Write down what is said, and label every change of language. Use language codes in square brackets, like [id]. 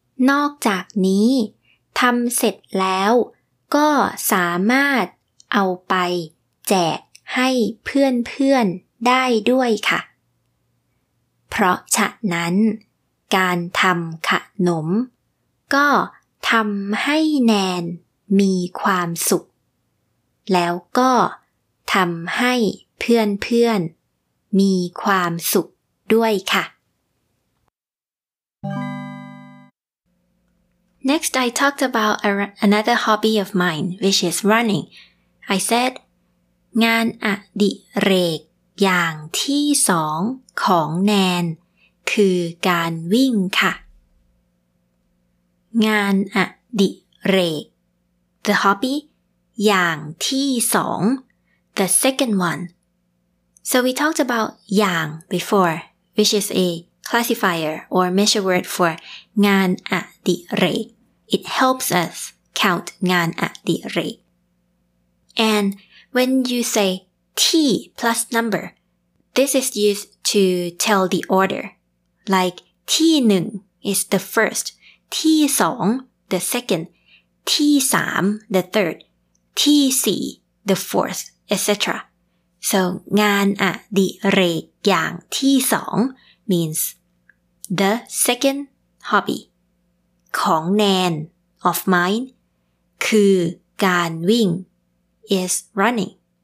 [th] นอกจากนี้ทำเสร็จแล้วก็สามารถเอาไปแจกให้เพื่อนๆได้ด้วยค่ะเพราะฉะนั้นการทำขนมก็ทำให้แนนมีความสุขแล้วก็ทำให้เพื่อนๆมีความสุขด้วยค่ะ [en] Next, I talked about another hobby of mine, which is running. I said, [th] งานอดิเรกอย่างที่สองของแนนคือการวิ่งค่ะงานอดิเรกThe hobby, อย่างที่สอง the second one. [en] So we talked about อย่าง before, which is a classifier or measure word for งานอดิเรก It helps us count งานอดิเรก And when you say ที plus number, this is used to tell the order. Like ที หนึ่ง is the first, ที สอง the second,ที่สาม the third ที่สี่ the fourth, etc. So, [th] งานอะดิเรกอย่างที่สอง [en] means the second hobby ของแนน of mine คือการวิ่ง is running.